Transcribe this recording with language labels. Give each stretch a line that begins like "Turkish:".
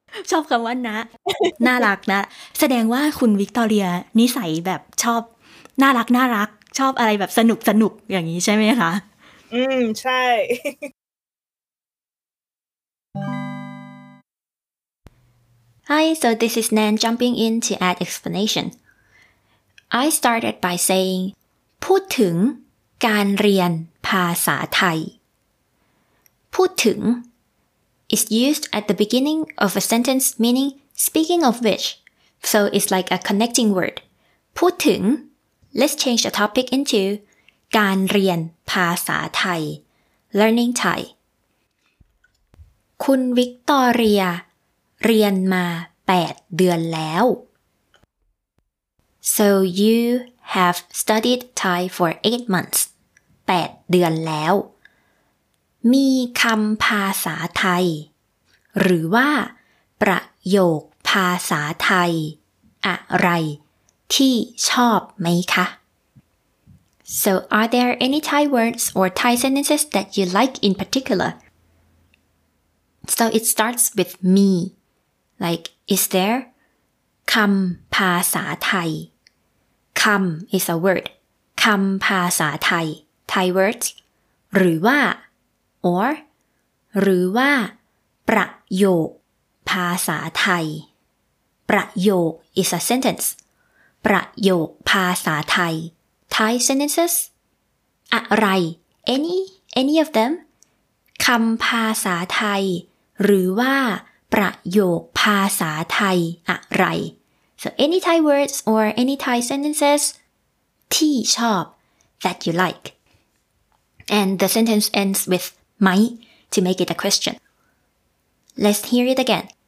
Thai: ชอบคำว่านะน่ารักนะแสดงว่าคุณวิกตอเรียนิสัยแบบชอบน่ารักน่ารักชอบอะไรแบบสนุกอย่างนี้ใช่ไหมคะ อืมใช่
English: Hi so this is Nan jumping in to add explanation I started by saying
Thai: พูดถึงการเรียนภาษาไทยพูดถึง
English: is used at the beginning of a sentence meaning Speaking of which, so it's like a connecting word. พูดถึง let's change the topic into
Thai: การเรียนภาษาไทย
English: learning Thai.
Thai: คุณวิกตอเรียเรียนมา8เดือนแล้ว
English: So you have studied Thai for 8 months.
Thai: 8เดือนแล้วมีคำภาษาไทยหรือว่าประโยคภาษาไทยอะไรที่ชอบไหมคะ
English: So are there any Thai words or Thai sentences that you like in particular? So it starts with me. Like, is there
Thai: คำภาษาไทยคำ
English: is a word.
Thai: คำภาษาไทย
English: Thai words.
Thai: หรือว่า
English: or
Thai: หรือว่าประโยคภาษาไทยประโยค
English: is a sentence.
Thai: ประโยคภาษาไทย
English: Thai sentences. อะไร any of them.
Thai: คำภาษาไทยหรือว่าประโยคภาษาไทยอะไร
English: So any Thai words or any Thai sentences
Thai: ที่ชอบ
English: that you like. And the sentence ends with ไหม to make it a question. Let's hear it again.